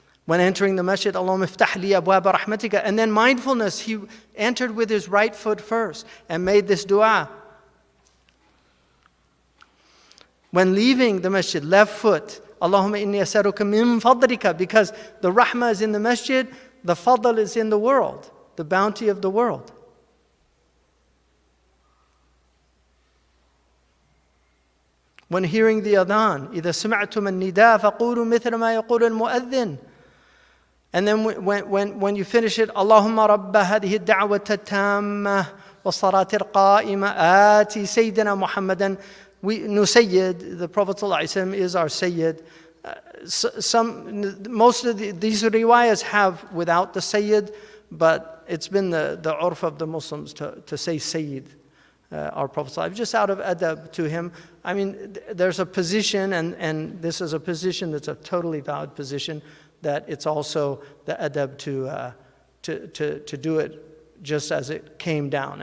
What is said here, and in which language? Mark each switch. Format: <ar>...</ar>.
<en>when entering the masjid,</en> <ar>Allahumma iftah li abwaab rahmatika.</ar> <en>And then mindfulness, he entered with his right foot first and made this dua. When leaving the masjid, left foot,</en> <ar>Allahumma inni as'aluka min fadlika,</ar> <en>because the rahmah is in the masjid, the fadl is in the world, the bounty of the world. When hearing the adhan,</en> <ar>إِذَا سُمِعْتُمْ النِّدَاءَ فَقُولُوا مِثْلَ مَا يَقُولُ الْمُؤَذِّنُ.</ar> <en>And then when you finish it,</en> <ar>اللَّهُمَّ رَبَّ هَذِهِ الدَّعْوَةَ التَّامَّةِ وَالصَّلَاةِ الْقَائِمَةِ آتِي سَيِّدَنَا مُحَمَّدًا.</ar> <en>We, no Sayyid, the Prophet is our Sayyid. Most of these riwayas have without the Sayyid, but it's been the urf of the Muslims to say Sayyid. Our Prophet, just out of adab to him. I mean, there's a position, and this is a position that's a totally valid position, that it's also the adab to do it just as it came down.</en>